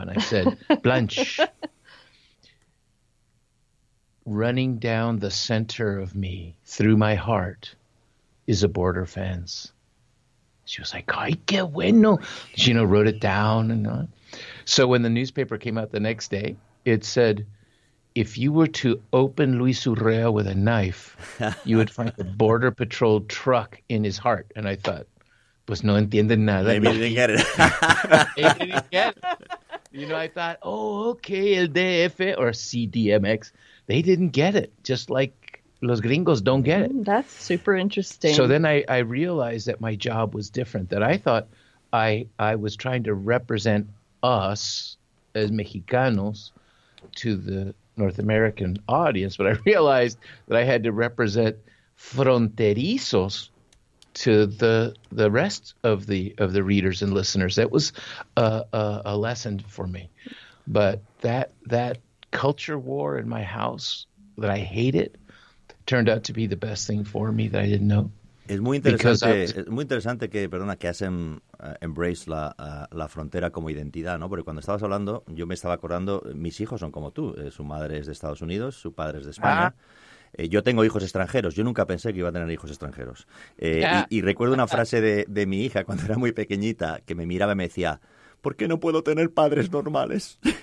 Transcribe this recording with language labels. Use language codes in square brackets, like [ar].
[en] And I said, Blanche, running down the center of me through my heart is a border fence. She was like, [es] ay, qué bueno. [en] She, you know, wrote it down. And so when the newspaper came out the next day, it said, if you were to open Luis Urrea with a knife, you would find a border patrol truck in his heart. And I thought, [es] pues no entienden nada. [en] Maybe they didn't get it. They didn't get it. You know, I thought, oh, okay, el DF or CDMX. They didn't get it, just like [es] los gringos [en] don't get it. That's super interesting. So then I realized that my job was different, that I thought I was trying to represent us as Mexicanos to the North American audience, but I realized that I had to represent fronterizos to the rest of the readers and listeners. That was a lesson for me. But that culture war in my house, that I hated, turned out to be the best thing for me that I didn't know. [es] Es muy interesante, que has embraced la frontera como identidad, ¿no? Porque cuando estabas hablando, yo me estaba acordando, mis hijos son como tú, su madre es de Estados Unidos, su padre es de España. Yo tengo hijos extranjeros, yo nunca pensé que iba a tener hijos extranjeros. Y recuerdo una frase de mi hija cuando era muy pequeñita, que me miraba y me decía, ¿por qué no puedo tener padres normales?